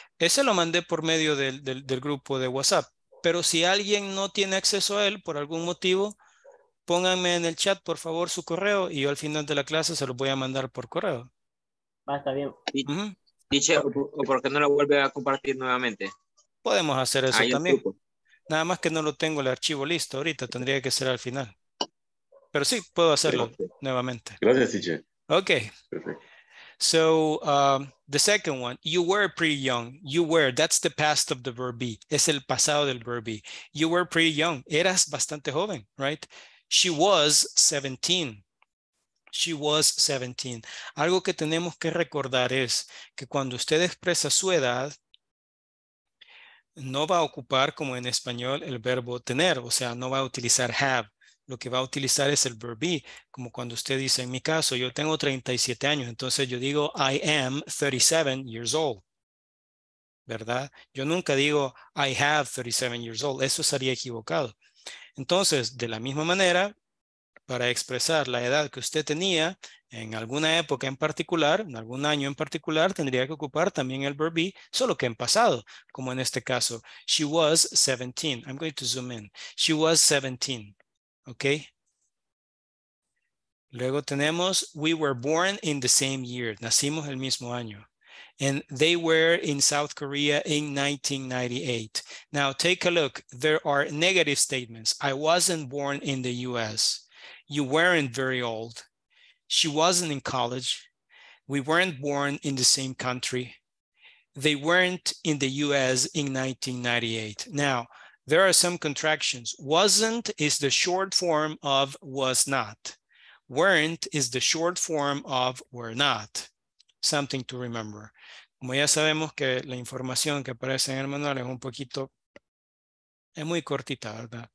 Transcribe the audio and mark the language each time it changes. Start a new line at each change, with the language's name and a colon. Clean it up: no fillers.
Spanish: Ese lo mandé por medio del grupo de WhatsApp. Pero si alguien no tiene acceso a él por algún motivo, pónganme en el chat, por favor, su correo y yo al final de la clase se lo voy a mandar por correo. Va, está bien. Uh-huh. Dice, ¿o por qué no lo vuelve a compartir nuevamente? Podemos hacer eso también. Nada más que no lo tengo el archivo listo ahorita, tendría que ser al final. Pero sí, puedo hacerlo. Gracias. Nuevamente. Gracias, teacher.
English: Okay, so the second one, you were pretty young. You were, that's the past of the verb be.
Spanish: Es el pasado del verb be.
English: You were pretty young.
Spanish: Eras bastante joven,
English: right? She was 17. She was 17.
Spanish: Algo que tenemos que recordar es que cuando usted expresa su edad, no va a ocupar, como en español, el verbo tener. O sea, no va a utilizar have. Lo que va a utilizar es el verb be, como cuando usted dice, en mi caso, yo tengo 37 años, entonces yo digo,
English: I am 37 years old,
Spanish: ¿verdad? Yo nunca digo,
English: I have 37 years old,
Spanish: eso sería equivocado. Entonces, de la misma manera, para expresar la edad que usted tenía en alguna época en particular, en algún año en particular, tendría que ocupar también el verb be, solo que en pasado, como en este caso,
English: she was 17, I'm going to zoom in, she was 17.
Spanish: Ok. Luego tenemos,
English: we were born in the same year.
Spanish: Nacimos el mismo año.
English: And they were in South Korea in 1998. Now take a look. There are negative statements. I wasn't born in the US. You weren't very old. She wasn't in college. We weren't born in the same country. They weren't in the US in 1998. Now, there are some contractions. Wasn't is the short form of was not. Weren't is the short form of were not. Something to remember.
Spanish: Como ya sabemos que la información que aparece en el manual es un poquito, es muy cortita, ¿verdad?